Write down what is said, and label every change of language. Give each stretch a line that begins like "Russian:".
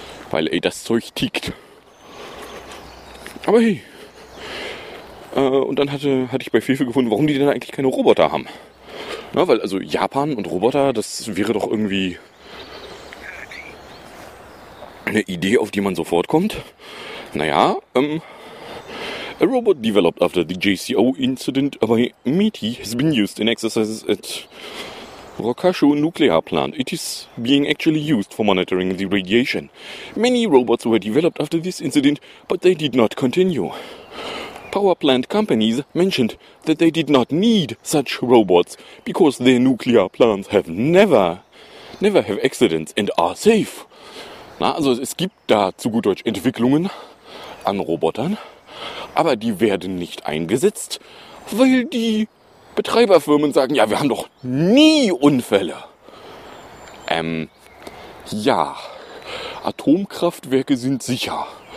German: Weil, ey, das Zeug tickt. Aber hey, und dann hatte ich bei Fefe gefunden, warum die denn eigentlich keine Roboter haben. Na, weil also Japan und Roboter, das wäre doch irgendwie eine Idee, auf die man sofort kommt.
English: Naja, a robot developed after the JCO incident by METI has been used in exercises at Rokkasho Nuclear Plant. It is being actually used for monitoring the radiation. Many robots were developed after this incident, but they did not continue. Power plant companies mentioned that they did not need such robots because their nuclear plants have never have accidents and are safe.
German: Na, also es gibt da zu gut Deutsch Entwicklungen an Robotern, aber die werden nicht eingesetzt, weil die Betreiberfirmen sagen, ja, wir haben doch nie Unfälle. Ja, Atomkraftwerke sind sicher.